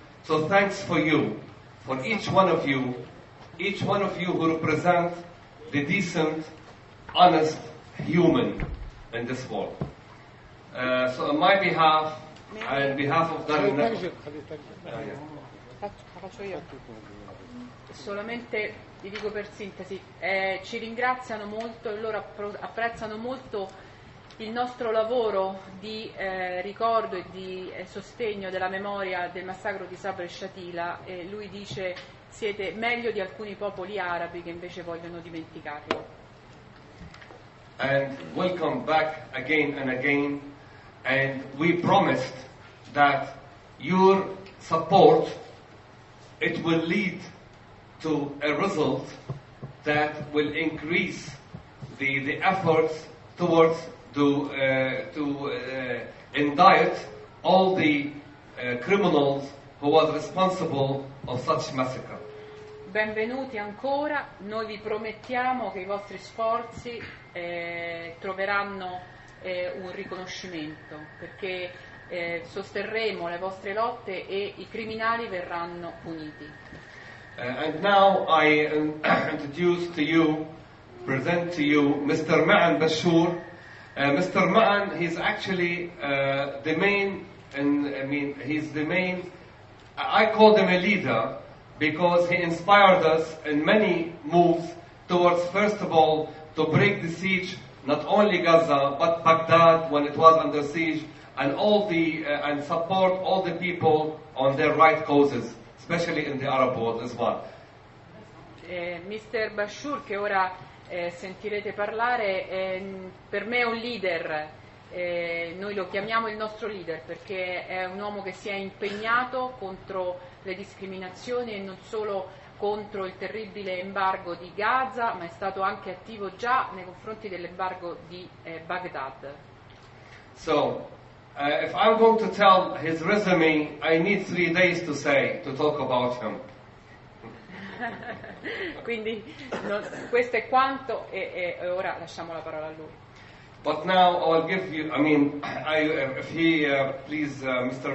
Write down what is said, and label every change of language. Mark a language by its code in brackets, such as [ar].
[en] So thanks for you, for each one of you who represent the decent, honest human in this world. So on my behalf, and on behalf of Darren Network, [it] solamente vi dico per sintesi, ci ringraziano molto e loro apprezzano molto il nostro lavoro di ricordo e di sostegno della memoria del massacro di Sabra e Shatila, e lui dice siete meglio di alcuni popoli arabi che invece vogliono dimenticarlo. [en] And welcome back again and again, and we promised that your support it will lead to a result that will increase the efforts towards to indict all the criminals who was responsible of such massacre. [it] Benvenuti ancora, noi vi promettiamo che i vostri sforzi troveranno un riconoscimento, perché sosterremo le vostre lotte e i criminali verranno puniti. [en] And now I introduce to you, present to you, Mr. Ma'an Bashour. Mr. Ma'an, he's actually the main, and I mean, he's the main, I call him a leader, because he inspired us in many moves towards, first of all, to break the siege, not only Gaza, but Baghdad, when it was under siege, and all the, and support all the people on their right causes, especially in the Arab world as well. Mr. [it] Bashour, che ora sentirete parlare, per me è un leader, noi lo chiamiamo il nostro leader perché è un uomo che si è impegnato contro le discriminazioni e non solo contro il terribile embargo di Gaza, ma è stato anche attivo già nei confronti dell'embargo di Baghdad. [en] So, if I'm going to tell his resume, I need 3 days to say, to talk about him. [it] Quindi no, questo è quanto e ora lasciamo la parola a lui. [en] But now I'll give you, I mean, I, if he, please, Mr.